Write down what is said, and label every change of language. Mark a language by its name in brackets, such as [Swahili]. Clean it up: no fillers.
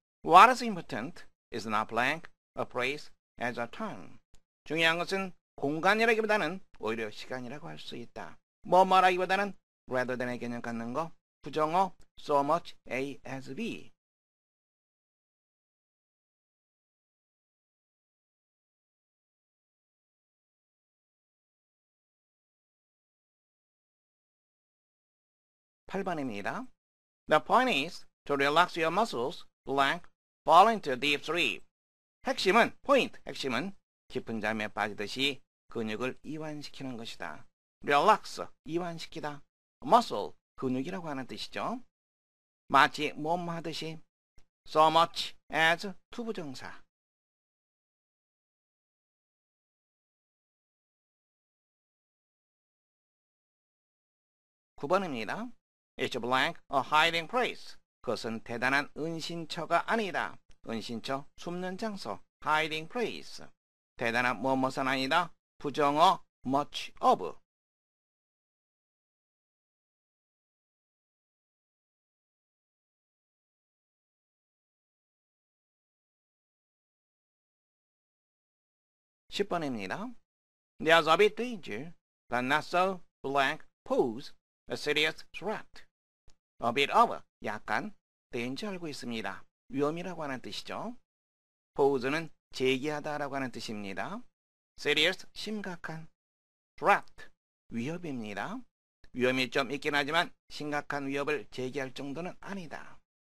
[English] What is important is not blank, a place as a time. [Korean] 중요한 것은 공간이라기보다는 오히려 시간이라고 할 수 있다. 뭐뭐라기보다는 [English] rather than [Korean] 의 개념 갖는 거. 부정어 [English] so much A as B. [Korean] 8번입니다. [English] The point is to relax your muscles, blank, fall into deep sleep. [Korean] 핵심은, point, 핵심은 깊은 잠에 빠지듯이 근육을 이완시키는 것이다. relax, 이완시키다. muscle, 근육이라고 하는 뜻이죠. 마치 몸하듯이 [English] so much as [Korean] 투부정사. 9번입니다. [English] It's blank, a hiding place. [Korean] 그것은 대단한 은신처가 아니다. 은신처, 숨는 장소, hiding place. 대단한 무엇은 아니다. 부정어, [English] much of. [Korean] 10번입니다. [English] There's a bit danger, but not so blank pose a serious threat. A bit of, [Korean] 약간. danger 알고 있습니다. 위험이라고 하는 뜻이죠. pose는 제기하다라고 하는 뜻입니다. serious, 심각한. threat, 위협입니다. 위험이 좀 있긴 하지만 심각한 위협을 제기할 정도는 아니다.